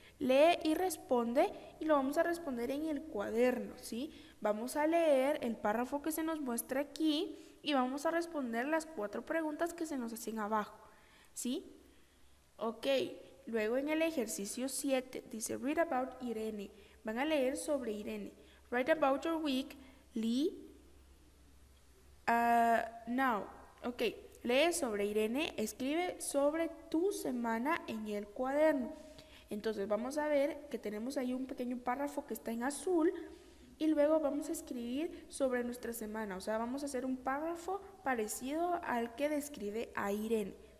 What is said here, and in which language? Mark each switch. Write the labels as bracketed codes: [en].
[es] Lee y responde y lo vamos a responder en el cuaderno, ¿sí? Vamos a leer el párrafo que se nos muestra aquí y vamos a responder las 4 preguntas que se nos hacen abajo, ¿sí? Ok, luego en el ejercicio 7 dice [en] read about Irene. [es] Van a leer sobre Irene. [en] Write about your week, Lee. [es] Now, ok, lee sobre Irene, escribe sobre tu semana en el cuaderno. Entonces vamos a ver que tenemos ahí un pequeño párrafo que está en azul y luego vamos a escribir sobre nuestra semana. O sea, vamos a hacer un párrafo parecido al que describe a Irene.